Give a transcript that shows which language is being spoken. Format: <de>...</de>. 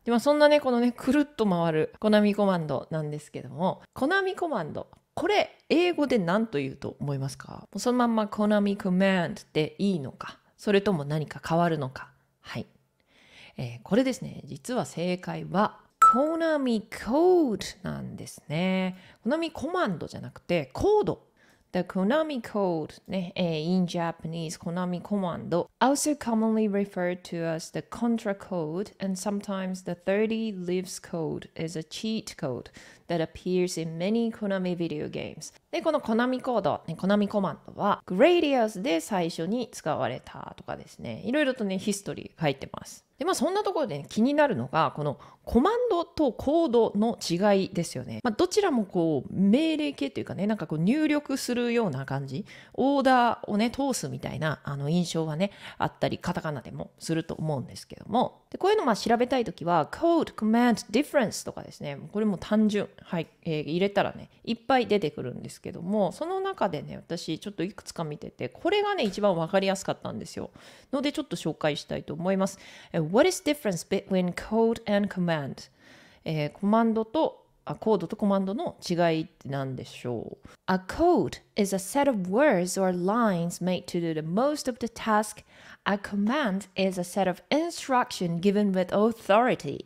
<ja>で、まあ、そんなねこのねくるっと回るコナミコマンドなんですけども、コナミコマンド、これ英語で何と言うと思いますか？そのまんまコナミコマンドでいいのか、それとも何か変わるのか。はい、これですね、実は正解はコナミコードなんですね。コナミコマンドじゃなくてコード。</ja> <en>The Konami code ね、in Japanese コナミコマンド also commonly referred to as the Contra code and sometimes the 30 lives code is a cheat code that appears in many Konami video games。</en> <ja>で、このコナミコード、ね、コナミコマンドは Gradius で最初に使われたとかですね、いろいろとねヒストリー書いてます。で、まあ、そんなところで、ね、気になるのがこのコマンドとコードの違いですよね。まあ、どちらもこう命令形というかね、なんかこう入力するような感じ、オーダーをね通すみたいなあの印象はねあったり、カタカナでもすると思うんですけども、でこういうのまあ調べたいときは</ja> <en>code command difference</en> <ja>とかですね、これも単純、はい、入れたらねいっぱい出てくるんですけども、その中でね私ちょっといくつか見てて、これがね一番わかりやすかったんですよ。のでちょっと紹介したいと思います。</ja> <en>What is the difference between code and command?</en> <ja>コマンドと、コードとコマンドの違いって何でしょう?</ja> <en>A code is a set of words or lines made to do the most of the task. A command is a set of instructions given with authority.</en>